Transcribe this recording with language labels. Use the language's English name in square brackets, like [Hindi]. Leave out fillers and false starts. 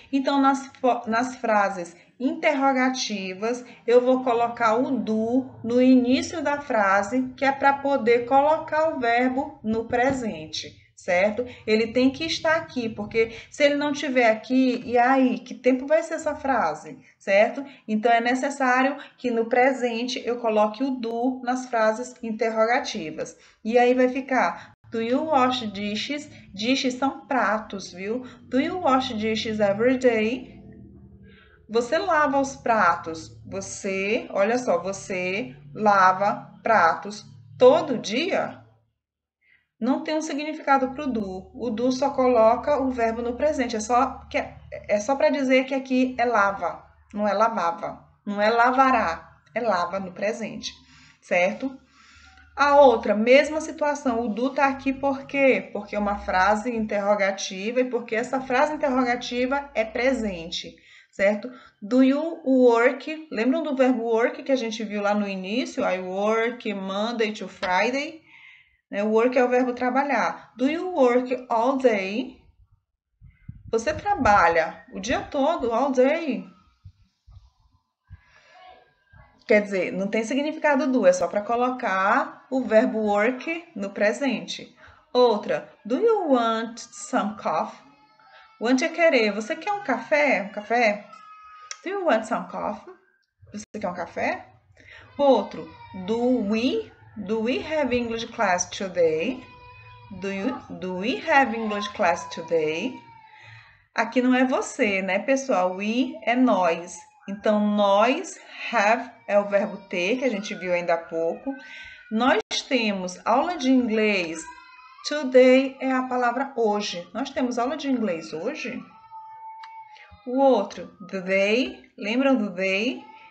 [Portuguese] Então, nas frases interrogativas, eu vou colocar o do no início da frase, que é para poder colocar o verbo no presente. Certo? Ele tem que estar aqui, porque se ele não estiver aqui, e aí, que tempo vai ser essa frase? Certo? Então é necessário que no presente eu coloque o do nas frases interrogativas. E aí vai ficar: [English] Do you wash dishes? [Portuguese] Dishes são pratos, viu? [English] Do you wash dishes every day? [Portuguese] Você lava os pratos? Você, olha só, você lava pratos todo dia? Não tem um significado para o do só coloca o verbo no presente, é só para dizer que aqui é lava, não é lavava, não é lavará, é lava no presente, certo? A outra, mesma situação, o do está aqui por quê? Porque é uma frase interrogativa e porque essa frase interrogativa é presente, certo? [English] Do you work, [Portuguese] lembram do verbo work que a gente viu lá no início? [English] I work Monday to Friday. [Portuguese] Work é o verbo trabalhar. [English] Do you work all day? [Portuguese] Você trabalha o dia todo, [English] all day? [Portuguese] Quer dizer, não tem significado do, é só para colocar o verbo work no presente. [English] Outra, do you want some coffee? [Portuguese] Want é querer. Você quer um café? Um café? [English] Do you want some coffee? [Portuguese] Você quer um café? [English] Outro, Do we have English class today? Do we have English class today? [Portuguese] Aqui não é você, né, pessoal? We é nós. Então, nós have é o verbo ter, que a gente viu ainda há pouco. Nós temos aula de inglês. Today é a palavra hoje. Nós temos aula de inglês hoje? O outro, they, lembram do they?